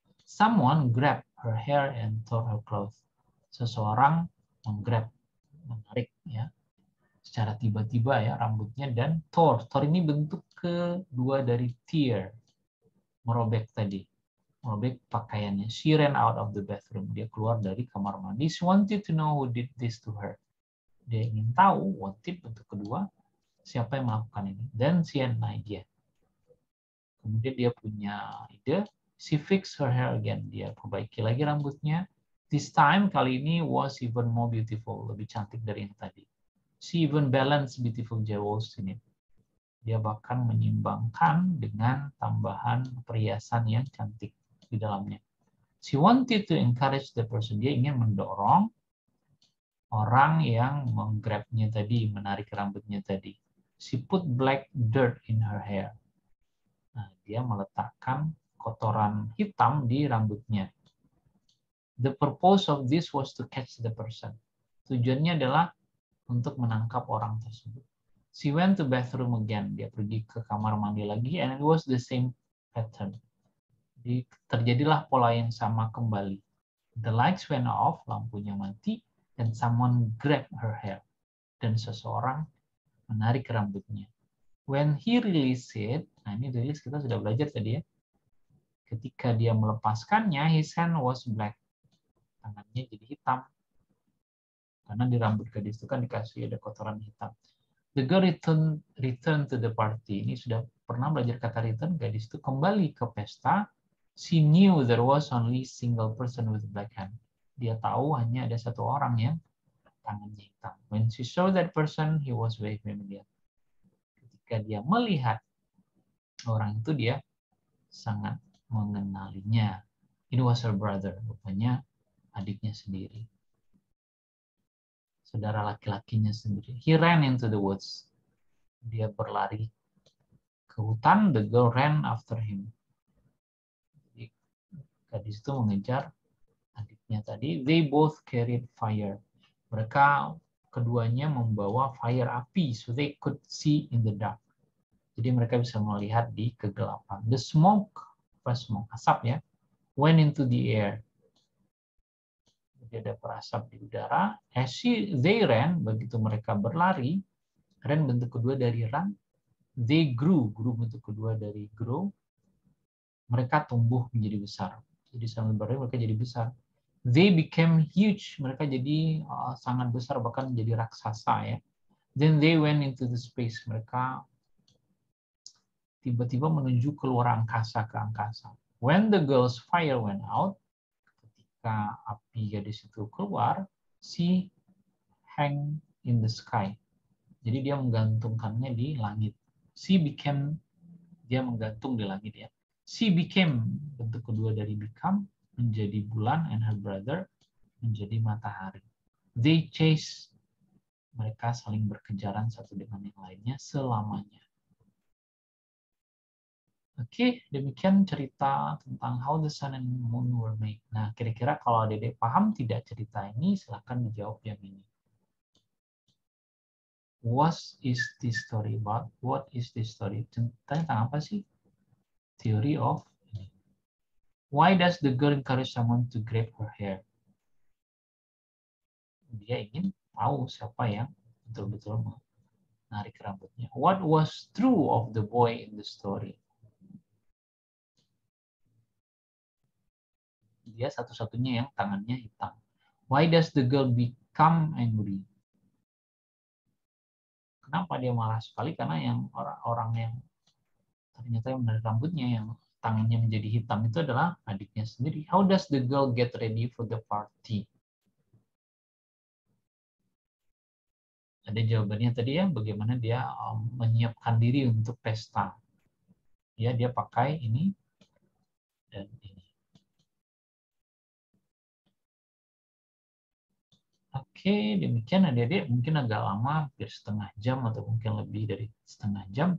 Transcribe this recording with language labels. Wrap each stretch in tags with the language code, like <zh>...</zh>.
<en>Someone grabbed her hair and tore her clothes.</en> <id>Seseorang menggrab, menarik ya, secara tiba-tiba ya rambutnya dan tore. Tore ini bentuk kedua dari tear, merobek tadi, merobek pakaiannya.</id> <en>She ran out of the bathroom.</en> <id>Dia keluar dari kamar mandi.</id> <en>She wanted to know who did this to her.</en> <id>Dia ingin tahu, wanted bentuk kedua, siapa yang melakukan ini.</id> <en>Then she had an idea.</en> <id>Kemudian dia punya ide,</id> <en>she fixed her hair again.</en> <id>Dia perbaiki lagi rambutnya.</id> <en>This time,</en> <id>kali ini,</id> <en>was even more beautiful.</en> <id>Lebih cantik dari yang tadi.</id> <en>She even balanced beautiful jewels in it.</en> <id>Dia bahkan menyimbangkan dengan tambahan perhiasan yang cantik di dalamnya.</id> <en>She wanted to encourage the person.</en> <id>Dia ingin mendorong orang yang menggrabnya tadi, menarik rambutnya tadi.</id> <en>She put black dirt in her hair.</en> <id>Nah, dia meletakkan kotoran hitam di rambutnya.</id> <en>The purpose of this was to catch the person.</en> <id>Tujuannya adalah untuk menangkap orang tersebut.</id> <en>She went to bathroom again.</en> <id>Dia pergi ke kamar mandi lagi,</id> <en>and it was the same pattern.</en> <id>Jadi, terjadilah pola yang sama kembali.</id> <en>The lights went off,</en> <id>lampunya mati,</id> <en>and someone grabbed her hair.</en> <id>Dan seseorang menarik rambutnya.</id> <en>When he released it,</en> <id>nah ini rilis kita sudah belajar tadi ya. Ketika dia melepaskannya,</id> <en>his hand was black.</en> <id>Tangannya jadi hitam. Karena di rambut gadis itu kan dikasih ada kotoran hitam.</id> <en>The girl returned to the party.</en> <id>Ini sudah pernah belajar kata return, gadis itu kembali ke pesta.</id> <en>She knew there was only single person with black hand.</en> <id>Dia tahu hanya ada satu orang yang tangannya hitam.</id> <en>When she saw that person, he was very familiar.</en> <id>Ketika dia melihat orang itu, dia sangat mengenalinya.</id> <en>It was her brother.</en> <id>Rupanya adiknya sendiri. Saudara laki-lakinya sendiri.</id> <en>He ran into the woods.</en> <id>Dia berlari ke hutan.</id> <en>The girl ran after him.</en> <id>Gadis itu mengejar adiknya tadi.</id> <en>They both carried fire.</en> <id>Mereka keduanya membawa fire api.</id> <en>So they could see in the dark.</en> <id>Jadi mereka bisa melihat di kegelapan.</id> <en>The smoke, fresh smoke,</en> <id>asap ya,</id> <en>went into the air.</en> <id>Jadi ada perasap di udara.</id> <en>As she, they ran,</en> <id>begitu mereka berlari. Ran bentuk kedua dari run.</id> <en>They grew,</en> <id>grew bentuk kedua dari grow. Mereka tumbuh menjadi besar. Jadi sambil berlari mereka jadi besar.</id> <en>They became huge.</en> <id>Mereka jadi sangat besar, bahkan menjadi raksasa ya.</id> <en>Then they went into the space.</en> <id>Mereka tiba-tiba menuju keluar angkasa, ke angkasa.</id> <en>When the girl's fire went out,</en> <id>ketika api gadis itu keluar,</id> <en>she hang in the sky.</en> <id>Jadi dia menggantungkannya di langit.</id> <en>She became,</en> <id>dia menggantung di langit ya. She became, bentuk kedua dari become, menjadi bulan,</id> <en>and her brother</en> <id>menjadi matahari.</id> <en>They chase,</en> <id>mereka saling berkejaran satu dengan yang lainnya selamanya. Oke, demikian cerita tentang</id> <en>how the sun and moon were made.</en> <id>Nah, kira-kira kalau Dede paham tidak cerita ini, silakan dijawab yang ini.</id> <en>What is this story about? What is this story?</en> <id>Cerita tentang apa sih?</id> <en>Theory of why does the girl encourage someone to grab her hair?</en> <id>Dia ingin tahu siapa yang betul-betul menarik rambutnya.</id> <en>What was true of the boy in the story?</en> <id>Dia satu-satunya yang tangannya hitam.</id> <en>Why does the girl become angry?</en> <id>Kenapa dia marah sekali? Karena yang orang-orang yang ternyata yang menarik rambutnya, yang tangannya menjadi hitam itu adalah adiknya sendiri.</id> <en>How does the girl get ready for the party?</en> <id>Ada jawabannya tadi ya, bagaimana dia menyiapkan diri untuk pesta. Ya, dia pakai ini dan ini. Oke, demikian adik-adik. Mungkin agak lama, hampir setengah jam atau mungkin lebih dari setengah jam.</id>